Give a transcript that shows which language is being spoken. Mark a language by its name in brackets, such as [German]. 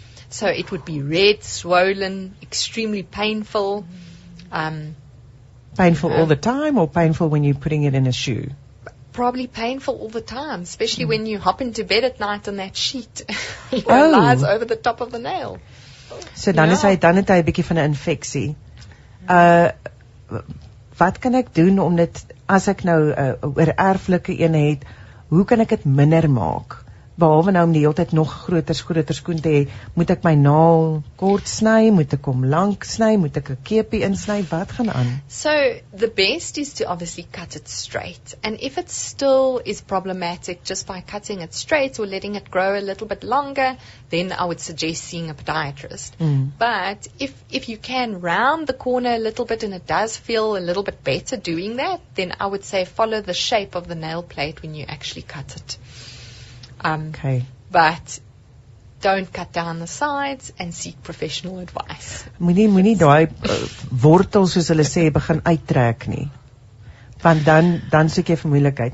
[English] So it would be red, swollen, extremely painful. Painful all the time, or painful when you're putting it in a shoe? Probably painful all the time, especially when you hop into bed at night and that sheet lies over the top of the nail. [Afrikaans] So dan is hy, dan het hy 'n bietjie van 'n infeksie. Wat kan ek doen om dit, as ek nou 'n oererflike een het, hoe kan ek het minder maak? Behalwe nou om die hele tijd nog groter skoen te hê, moet ek my naal kort sny, moet ek hom lang sny, moet ek 'n keepie insny, wat gaan aan? [English] So, the best is to obviously cut it straight. And if it still is problematic just by cutting it straight or letting it grow a little bit longer, then I would suggest seeing a podiatrist. Mm. But if you can round the corner a little bit and it does feel a little bit better doing that, then I would say follow the shape of the nail plate when you actually cut it. Okay. But don't cut down the sides and seek professional advice. [Afrikaans] Moenie daai wortels soos hulle sê begin uittrek nie. Want dan soek jy vir moeilikheid.